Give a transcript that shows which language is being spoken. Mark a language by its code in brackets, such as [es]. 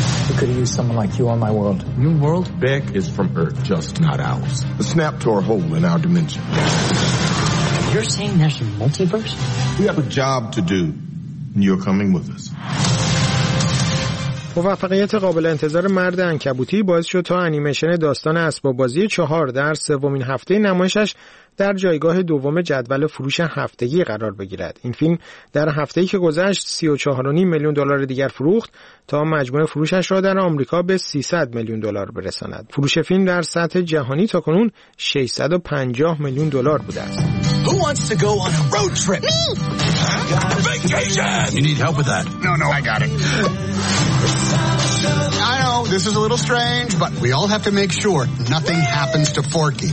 [en] I could use someone like you on my world. New world? Beck is from Earth, just not ours. A snap to our hole in our dimension. You're saying there's a multiverse? We have a job to do, and you're coming with us. [fa] موفقیت قابل انتظار مرد عنکبوتی باعث شد تا انیمیشن داستان اسباب بازی 4 در سومین هفته نمایشش در جایگاه دوم جدول فروش هفتگی قرار بگیرد. این فیلم در هفته‌ای که گذشت 34.5 میلیون دلار دیگر فروخت تا مجموعه فروشش را در آمریکا به 300 میلیون دلار برساند. فروش فیلم در سطح جهانی تا کنون 650 میلیون دلار بوده است. [en] Who wants to go on a road trip? Me. Vacation. You need help with that? No, no, I got it. I know this is a little strange, but we all have to make sure nothing happens to Forky.